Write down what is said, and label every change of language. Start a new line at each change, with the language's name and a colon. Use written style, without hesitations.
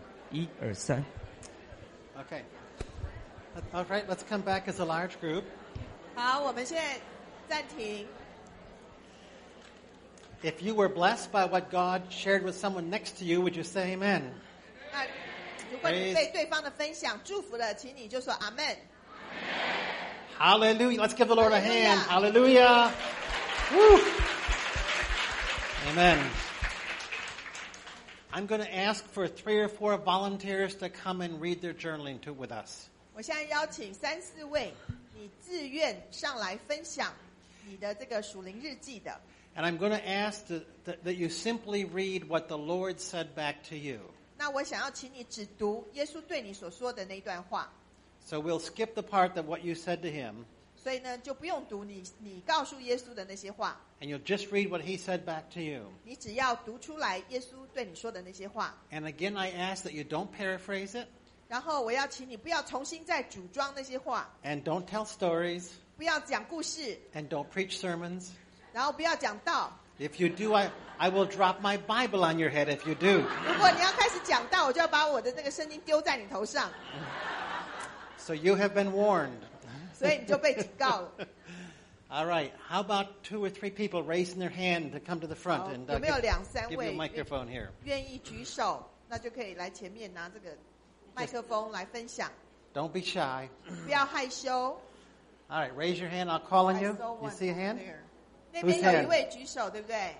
Chinese: 一、二、三。
English: Okay. All right, let's come back as a large group.
Chinese: 好，我们现在暂停。
English: If you were blessed by what God shared with someone next to you, would you say amen?
Chinese: 如果你被对方的分享祝福了，请你就说 amen。
English: Hallelujah. Let's give the Lord a hand. Hallelujah. Woo! Amen. I'm going to ask for 3 or 4 volunteers to come and read their journaling to with us.
Chinese: 我现在邀请三四位，你自愿上来分享你的这个属灵日记的。
English: And I'm going to ask that you simply read what the Lord said back to you.
Chinese: 那我想要请你只读耶稣对你所说的那段话。
English: So we'll skip the part of what you said to him.
Chinese: 所以呢，就不用读你告诉耶稣的那些话。
English: And you'll just read what he said back to you.
Chinese: 你只要读出来耶稣对你说的那些话。
English: And again, I ask that you don't paraphrase it.
Chinese: 然后我要请你不要重新再组装那些话。
English: And don't tell stories.
Chinese: 不要讲故事。
English: And don't preach sermons.
Chinese: 然后不要讲道。
English: If you do, I will drop my Bible on your head if you do.
Chinese: 如果你要开始讲道，我就要把我的那个圣经丢在你头上。
English: So you have been warned. 所以你就被警告了。 All right. How about 2 or 3 people raising their hand to come to the front and give you a microphone here?
Chinese: 愿意举手，那就可以来前面拿这个麦克风来分享。
English: Don't be shy.
Chinese: 不要害羞。
English: All right, raise your hand. I'll call on you. You see a hand?
Chinese: 那边有一位举手，对不对？